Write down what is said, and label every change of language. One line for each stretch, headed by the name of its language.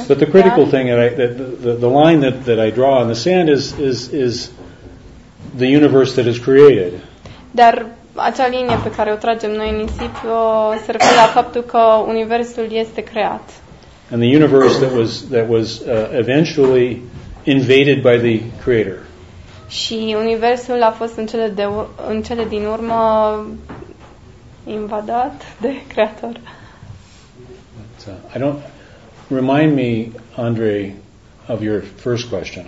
English: But the critical thing that I, that the line that that I draw on the sand is the universe that is created.
Romanian: Dar acea linie pe care o tragem noi în nisip se referă la faptul că universul este creat.
English: And the universe that was eventually invaded by the creator.
Romanian: Și universul a fost în cele din urmă invadat de creator.
English: I don't remind me, Andre, of your first question.